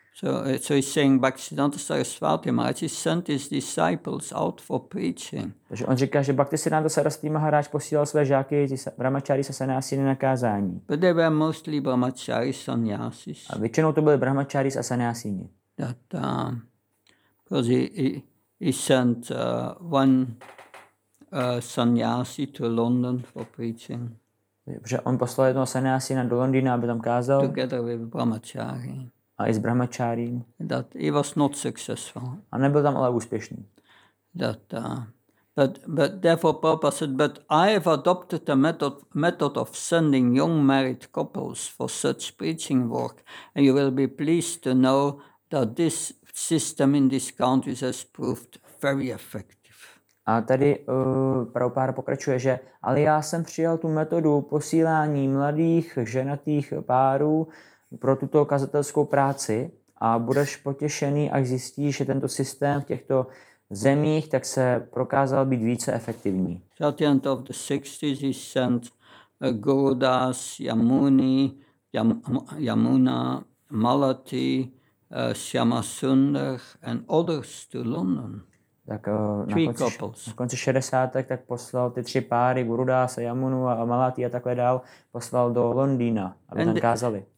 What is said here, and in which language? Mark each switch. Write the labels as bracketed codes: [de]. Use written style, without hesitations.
[en] So he's saying Bhaktisiddhanta Sarasvati Maharaj sent his disciples out for preaching. [cs] Takže on říká, že Bhaktisiddhanta Sarasvati Maharaj posílal své žáky, ty brahmacharis a sannyasíny na kázání. [en] But they were mostly brahmacharis and sannyasis. [cs] A většinou to byly brahmacharis a sannyasíny. [en] That, because he sent one sannyasi to London for preaching. [cs] Protože on poslal jednoho sannyasina do Londýna, aby tam kázal. [en] Together with brahmachari. [cs] A i s brahmacharím. [en] That he was not successful. [cs] A nebyl tam ale úspěšný. [en] That, but therefore Prabhupada said, but I have adopted the method of sending young married couples for such preaching work, and you will be pleased to know that this system in this country has proved very effective. [cs] A tady Prabhupada pokračuje, že ale já jsem přijal tu metodu posílání mladých ženatých párů pro tuto kazatelskou práci a budeš potěšený, až zjistíš, že tento systém v těchto zemích tak se prokázal být více efektivní. [en] At the end of the 60s he sent Gurudas, Yamuna, Malati, Shyama Sundar and others to London. [cs] Tak na konci 60. tak poslal ty tři páry, Gurudas, Yamunu a Malati a takhle dál, poslal do Londýna, aby tam kázali.